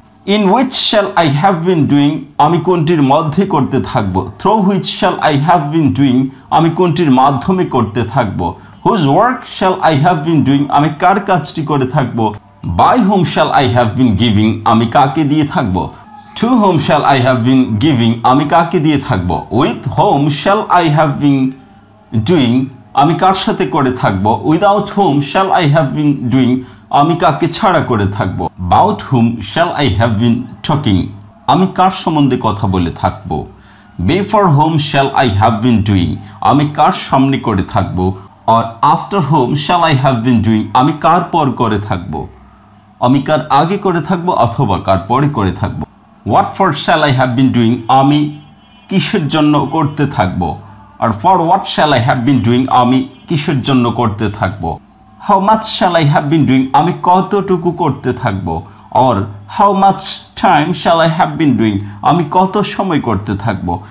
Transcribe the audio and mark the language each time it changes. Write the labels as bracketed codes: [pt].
[en] in which shall I have been doing [bn] আমি কোনটির মধ্যে করতে থাকবো [en] through which shall I have been doing [bn] আমি কোনটির মাধ্যমে করতে থাকবো [en] whose work shall I have been doing [bn] আমি কার কাজটি করে থাকবো [en] by whom shall I have been giving [bn] আমি কাকে দিয়ে থাকবো [en] to whom shall I have been giving আমি কাকে দিয়ে থাকবো with whom shall I have been doing [bn] আমি কার সাথে করে থাকবো [en] without whom shall I have been doing [bn] আমি কাকে ছাড়া করে থাকব? [en] About whom shall I have been talking? [bn] আমি কার সম্বন্ধে কথা বলে থাকব? [en] Before whom shall I have been doing? [bn] আমি কার সামনে করে থাকব? [en] Or after whom shall I have been doing? [bn] আমি কার পর করে থাকব? আমি কার আগে করে থাকব অথবা কার পরে করে থাকব? [en] What for shall I have been doing? [bn] আমি কিসের জন্য করতে থাকব? [en] Or for what shall I have been doing? [bn] আমি কিসের জন্য করতে থাকব? [en] How much shall I have been doing? [bn] আমি কতটুকু করতে থাকব? [en] Or how much time shall I have been doing? [bn] আমি কত সময় করতে থাকব?